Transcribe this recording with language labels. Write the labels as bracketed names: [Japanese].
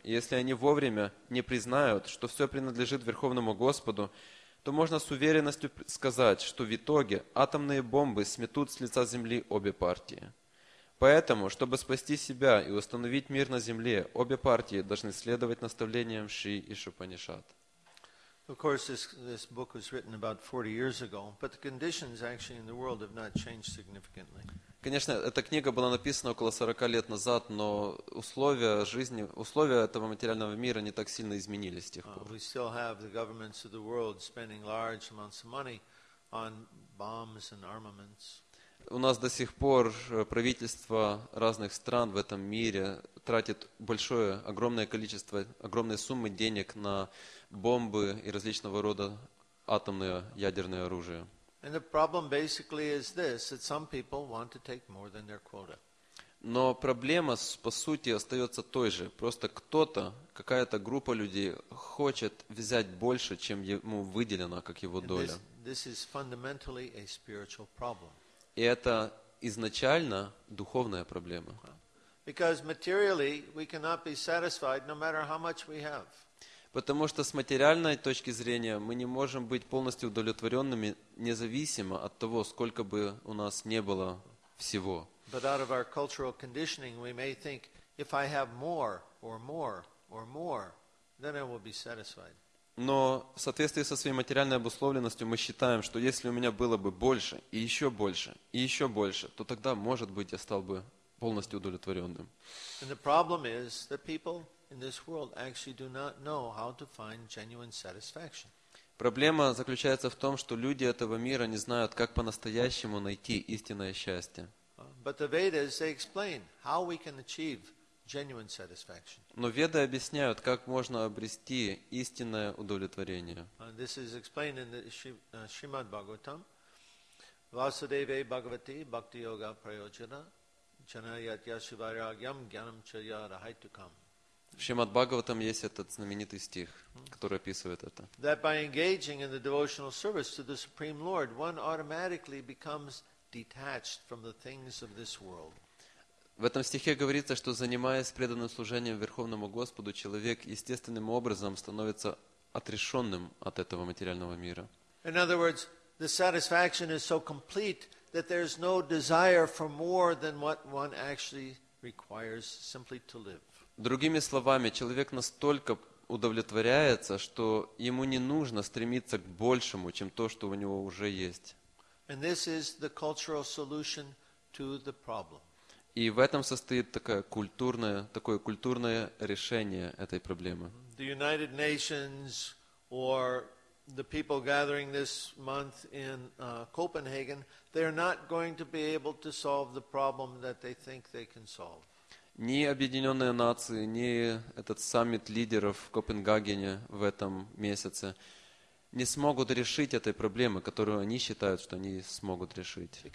[Russian] И если они вовремя не признают, что все принадлежит Верховному Господу, то можно с уверенностью сказать, что в итоге атомные бомбы сметут с лица земли обе партии. Поэтому, чтобы спасти себя и установить мир на земле, обе партии должны следовать наставлениям Шри и Шупанишад. [English] Of course, this book was written about 40 years ago, but the conditions actually in the world have not changed significantly. [Russian] Конечно, эта книга была написана около 40 лет назад, но условия жизни, условия этого материального мира не так сильно изменились с тех пор. [English] We still have the governments of the world spending large amounts of money on bombs and armaments. [Russian] У нас до сих пор правительства разных стран в этом мире тратят большое, огромное количество, огромные суммы денег на бомбы и различного рода атомное ядерное оружие. [English] And the problem basically is this, that some people want to take more than their quota. [Russian] Но проблема, по сути, остается той же. Просто кто-то, какая-то группа людей хочет взять больше, чем ему выделено, как его доля. [English] This is fundamentally a spiritual problem. [Russian] И это изначально духовная проблема. [English] Because materially we cannot be satisfied no matter how much we have. [Russian] Потому что с материальной точки зрения мы не можем быть полностью удовлетворенными независимо от того, сколько бы у нас не было всего. [English] But out of our cultural conditioning we may think, if I have more or more or more, then I will be satisfied. [Russian] Но в соответствии со своей материальной обусловленностью мы считаем, что если у меня было бы больше и еще больше и еще больше, то тогда, может быть, я стал бы полностью удовлетворенным. [English] And the problem is that people in this world actually do not know how to find genuine satisfaction. [Russian] Проблема заключается в том, что люди этого мира не знают, как по-настоящему найти истинное счастье. [English] But the Vedas, they explain how we can achieve genuine satisfaction. [Russian] Но Веды объясняют, как можно обрести истинное удовлетворение. [English] This is explained in the Shrimad Bhagavatam. [Sanskrit] Vasudeve Bhagavati Bhakti Yoga Prayojana Chanayat Yashivaragyam Gyanam Chaya Rahaitukam. [Russian] В Шримад Бхагаватам есть этот знаменитый стих, который описывает это. [English] That by engaging in the devotional service to the Supreme Lord, one automatically becomes detached from the things of this world. [Russian] В этом стихе говорится, что занимаясь преданным служением Верховному Господу, человек естественным образом становится отрешенным от этого материального мира. [English] In other words, the satisfaction is so complete that there is no desire for more than what one actually requires simply to live. [Russian] Другими словами, человек настолько удовлетворяется, что ему не нужно стремиться к большему, чем то, что у него уже есть. [English] And this is the cultural solution to the problem. [Russian] И в этом состоит такое культурное решение этой проблемы. [English] The United Nations or the people gathering this month in Copenhagen, they're not going to be able to solve the problem that they think they can solve. [Russian] Ни Объединенные Нации, ни этот саммит лидеров в Копенгагене в этом месяце не смогут решить этой проблемы, которую они считают, что они смогут решить.